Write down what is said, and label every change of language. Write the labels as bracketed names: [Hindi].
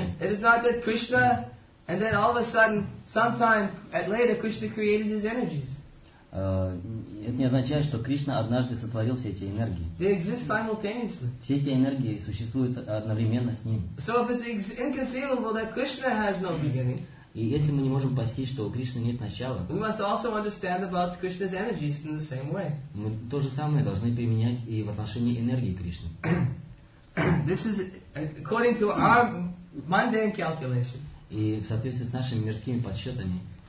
[English] It is not that Krishna, and then all of a sudden, sometime at later, Krishna created his energies. [Russian] Это не означает, что Кришна однажды сотворил все эти энергии. [English] They exist simultaneously. [Russian] Все эти энергии существуют одновременно с ним. [English] So if it's inconceivable that Krishna has no beginning. [Russian] И если мы не можем постичь, что у Кришны нет начала, [English] we must also understand about Krishna's energies in the same way. [Russian] Мы то же самое должны применять и в отношении энергии Кришны. [English] This is according to our mundane calculation. [Russian] И в соответствии с нашими мирскими подсчетами.